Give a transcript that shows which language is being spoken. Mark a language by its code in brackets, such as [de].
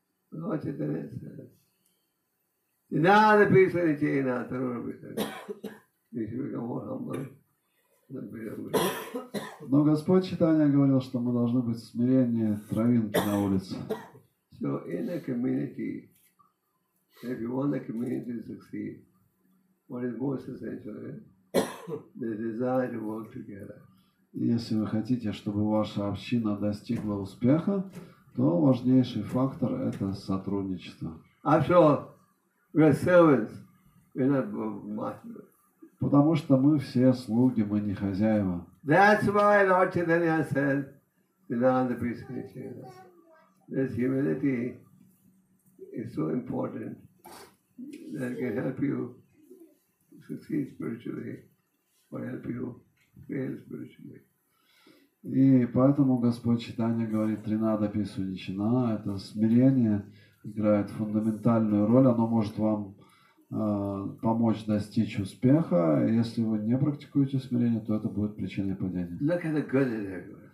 [ru] Надо писать, надо писать. Но Господь Читания говорил, что мы должны быть смиреннее травинки на улице. [en] So in a community, if you want a community to succeed, what is most essential is the desire to work together. [ru] Если вы хотите, чтобы ваша община достигла успеха, то важнейший фактор – это сотрудничество. [en] After all, we are servants, we are not masters. [ru] Потому что мы все слуги, мы не хозяева. [en] That's why Lord Chaitanya said, Siddhanta Bhishma, this humility is so important that it can help you succeed spiritually or help you fail spiritually. [ru] И поэтому Господь Читания говорит, Тринада Писуничина, это смирение играет фундаментальную роль, оно может вам помочь достичь успеха, если вы не практикуете смирение, то это будет причиной падения.